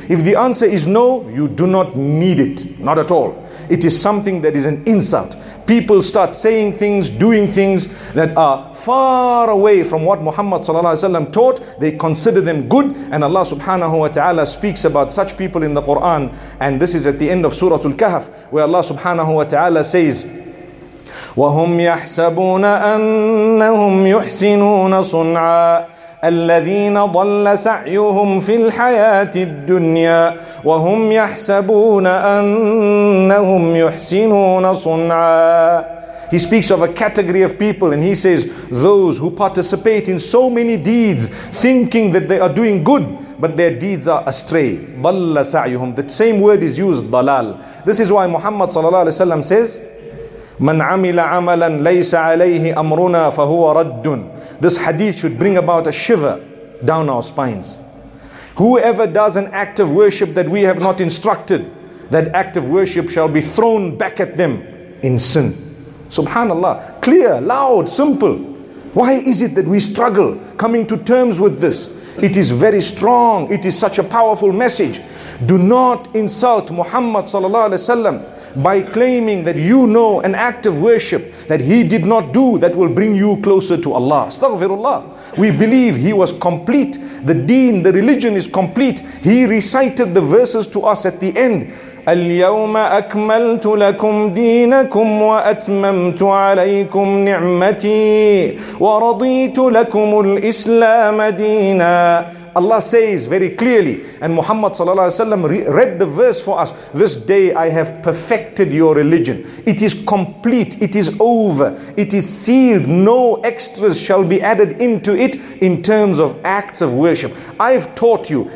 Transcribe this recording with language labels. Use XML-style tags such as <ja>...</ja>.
<en>If the answer is no, you do not need it. Not at all. It is something that is an insult. People start saying things, doing things that are far away from what Muhammad sallallahu alaihi wasallam taught. They consider them good. And Allah subhanahu wa ta'ala speaks about such people in the Quran. And this is at the end of Surah Al-Kahf, where Allah subhanahu wa ta'ala says,</en> <ar>وَهُمْ يَحْسَبُونَ أَنَّهُمْ يُحْسِنُونَ صُنْعًا الَّذِينَ ضَلَّ سَعْيُهُمْ فِي الْحَيَاةِ الدُّنْيَا وَهُمْ يَحْسَبُونَ أَنَّهُمْ يُحْسِنُونَ صُنْعًا.</ar> <en>He speaks of a category of people and he says, those who participate in so many deeds, thinking that they are doing good, but their deeds are astray.</en> <ar>ضَلَّ سَعْيُهُمْ.</ar> <en>The same word is used, dalal. This is why Muhammad sallallahu alayhi wa sallam says,</en> <ar>مَنْ عَمِلَ عَمَلًا لَيْسَ عَلَيْهِ أَمْرُنَا فَهُوَ رَدٌّ.</ar> <en>This hadith should bring about a shiver down our spines. Whoever does an act of worship that we have not instructed, that act of worship shall be thrown back at them in sin. Subhanallah. Clear, loud, simple. Why is it that we struggle coming to terms with this? It is very strong. It is such a powerful message. Do not insult Muhammad sallallahu alaihi wasallam by claiming that you know an act of worship that he did not do that will bring you closer to Allah. Astaghfirullah. We believe he was complete. The deen, the religion is complete. He recited the verses to us at the end.</en> <ar>اليوم أكملت لكم دينكم وأتممت عليكم نعمتي ورضيت لكم الإسلام دينا.</ar> <en>Allah says very clearly, and Muhammad sallallahu alaihi wasallam read the verse for us. This day I have perfected your religion. It is complete. It is over. It is sealed. No extras shall be added into it in terms of acts of worship. I've taught you.</en>